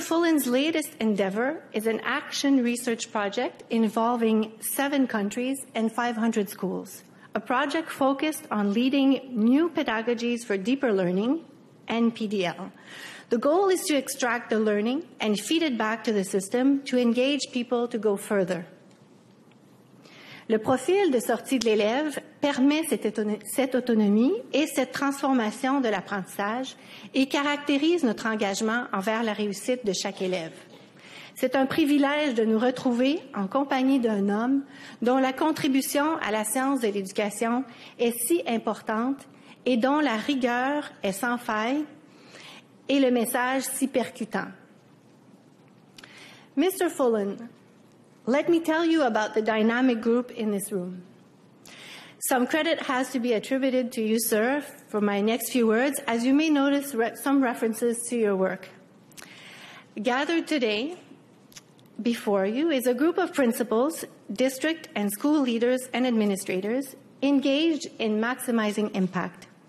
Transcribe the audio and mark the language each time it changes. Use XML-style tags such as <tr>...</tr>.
<en>Fullen's latest endeavor is an action research project involving 7 countries and 500 schools, a project focused on leading new pedagogies for deeper learning, NPDL. The goal is to extract the learning and feed it back to the system to engage people to go further.</en> <fr>Le profil de sortie de l'élève permet cette autonomie et cette transformation de l'apprentissage et caractérise notre engagement envers la réussite de chaque élève. C'est un privilège de nous retrouver en compagnie d'un homme dont la contribution à la science de l'éducation est si importante et dont la rigueur est sans faille et le message si percutant.</fr> <en>Mr. Fullen, let me tell you about the dynamic group in this room. Some credit has to be attributed to you, sir, for my next few words, as you may notice some references to your work. Gathered today before you is a group of principals, district and school leaders and administrators engaged in maximizing impact.</en>